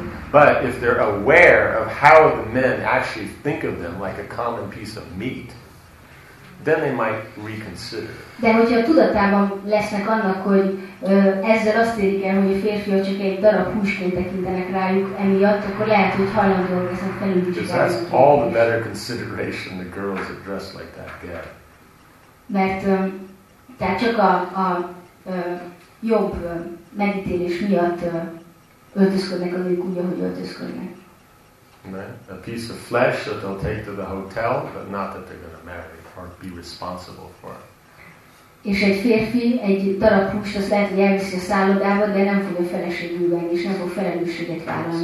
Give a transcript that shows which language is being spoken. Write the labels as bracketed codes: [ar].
[en] But if they're aware of how the men actually think of them like a common piece of meat, then they might reconsider. [hu] De hogyha a tudatában lesznek annak, hogy ezzel azt érik el, hogy a férfiak csak egy darab húsként tekintenek rájuk emiatt, akkor lehet, hogy hajlandóak ezen felülvizsgálni. [en] Because that's all the better consideration the girls are dressed like that get. [hu] Mert tehát csak a jobb megítélés miatt öltözködnek a nők úgy, ahogy öltözködnek. [en] Right. A piece of flesh that they'll take to the hotel, but not that they're going to marry or be responsible for it. [hu] És egy férfi egy darab húst az lehet, hogy elviszi a szállodába, de nem fogja feleségül venni, és nem fog felelősséget vállalni.